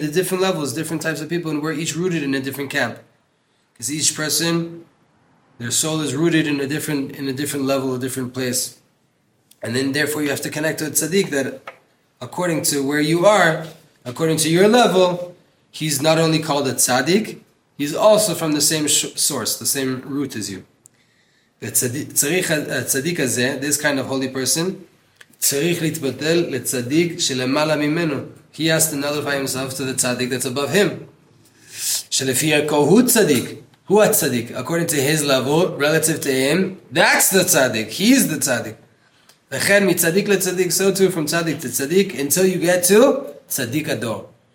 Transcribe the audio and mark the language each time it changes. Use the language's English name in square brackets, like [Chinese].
[English] The different levels, different types of people, and we're each rooted in a different camp. Because each person, their soul is rooted in a different level, a different place. And then therefore you have to connect to a tzaddik that according to where you are, according to your level, he's not only called a tzaddik, he's also from the same source, the same root as you. [Hebrew] צריך הצדיק הזה, [English] this kind of holy person, [Hebrew] צריך להתבטל לצדיק שלמעלה ממנו. [English] He has to nullify himself to the צדיק that's above him. [Hebrew] שלפי ערכו הוא צדיק. הוא הצדיק. [English] According to his level, relative to him, that's the צדיק. He's the צדיק. [Hebrew] וכן מצדיק לצדיק, [English] so too from צדיק to צדיק, until you get to צדיק הדור.